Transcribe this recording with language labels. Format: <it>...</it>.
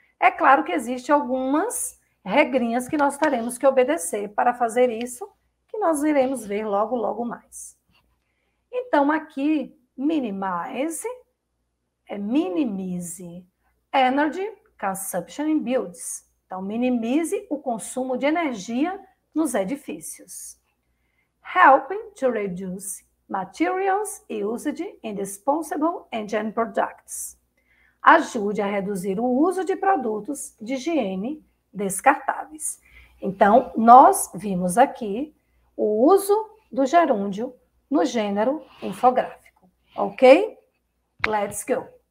<pt>É claro que existem algumas regrinhas que nós teremos que obedecer para fazer isso, que nós iremos ver logo, logo mais. Então, aqui, minimize, é</pt> <en>minimize energy consumption in buildings.</en> <pt>Então, minimize o consumo de energia nos edifícios.</pt> <en>Helping to reduce materials usage in disposable hygiene products.</en> <pt>Ajude a reduzir o uso de produtos de higiene descartáveis. Então, nós vimos aqui o uso do gerúndio no gênero infográfico, ok?</pt> <en>Let's go.</en>